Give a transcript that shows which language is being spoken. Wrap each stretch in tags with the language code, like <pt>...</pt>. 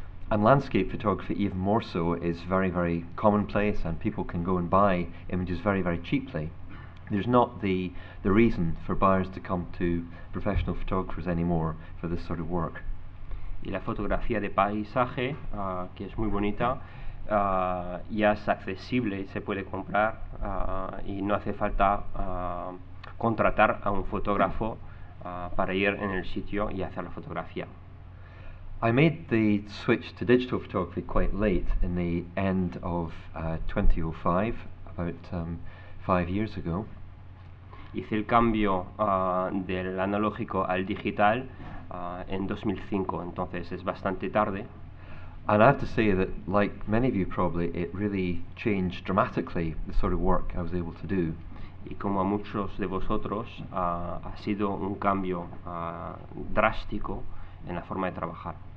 <en>And landscape photography, even more so, is very, very commonplace, and people can go and buy images very, very cheaply. There's not the reason for buyers to come to professional photographers anymore for this sort of work.</en> <es>Y la fotografía de paisaje, que es muy bonita, ya es accesible, se puede comprar, y no hace falta contratar a un fotógrafo para ir en el sitio y hacer la fotografía.</es> <en>I made the switch to digital photography quite late, in the end of 2005, about 5 years ago.</en> <es>Hice el cambio del analógico al digital en 2005, entonces es bastante tarde.</es> <en>And I have to say that, like many of you probably, it really changed dramatically the sort of work I was able to do.</en> <es>Y como a muchos de vosotros, ha sido un cambio drástico en la forma de trabajar.</es>